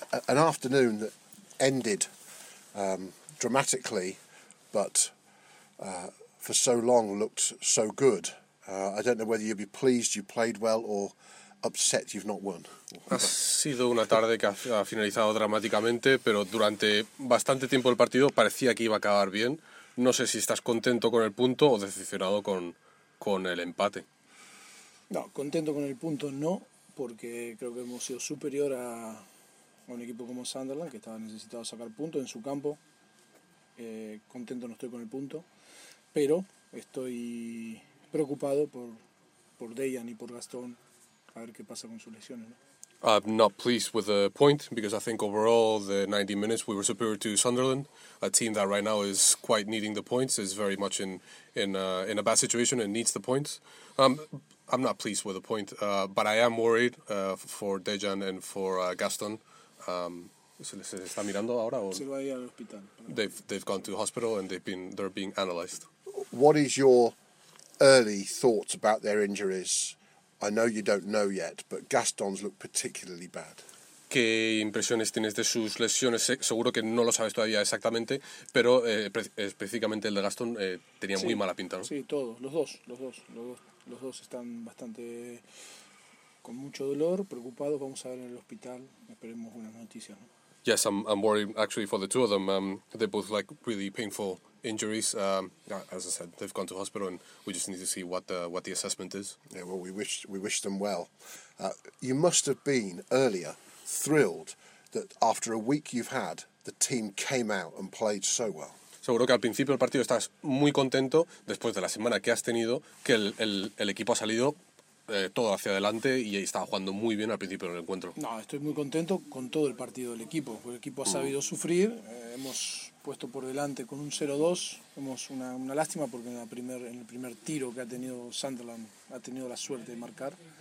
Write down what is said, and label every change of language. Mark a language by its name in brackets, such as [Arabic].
[English] an afternoon that ended dramatically, but for so long looked so good. I don't know whether you'd be pleased you played well or upset you've not won. [Spanish] Ha sido una tarde que ha finalizado dramáticamente, pero durante bastante tiempo el partido parecía que iba a acabar bien. No sé si estás contento con el punto o decepcionado con el empate. No, contento con el punto no, porque creo que hemos sido superior a un equipo como Sunderland, que estaba necesitado sacar puntos en su campo. Contento no estoy con el punto, pero estoy preocupado por Dejan y por Gastón, a ver qué pasa con sus lesiones, ¿no? [English] I'm not pleased with the point, because I think overall the 90 minutes we were superior to Sunderland, a team that right now is quite needing the points, is very much in a bad situation and needs the points. I'm not pleased with the point, but I am worried for Dejan and for Gaston. [Spanish] ¿Se está mirando ahora? Se va a ir al hospital. [English] They've gone to hospital and they're being analysed. What is your early thoughts about their injuries? I know you don't know yet, but Gaston's look particularly bad. [Spanish] ¿Qué impresiones tienes de sus lesiones? Seguro que no lo sabes todavía exactamente, pero específicamente el de Gaston tenía sí, muy mala pinta, ¿no? Sí, todos, los dos están bastante con mucho dolor, preocupados. Vamos a ver en el hospital, esperemos buenas noticias, ¿no? [English] Yes, I'm worried actually for the two of them. They're both like really painful injuries. As I said, they've gone to hospital, and we just need to see what the assessment is. Yeah, well, we wish them well. You must have been earlier thrilled that after a week you've had, the team came out and played so well. [Spanish] Seguro que al principio del partido estás muy contento después de la semana que has tenido, que el equipo ha salido todo hacia adelante y estaba jugando muy bien al principio del encuentro. No, estoy muy contento con todo el partido del equipo. El equipo ha sabido sufrir. Hemos puesto por delante con un 0-2. Hemos una lástima porque en el primer tiro que ha tenido Sunderland ha tenido la suerte de marcar.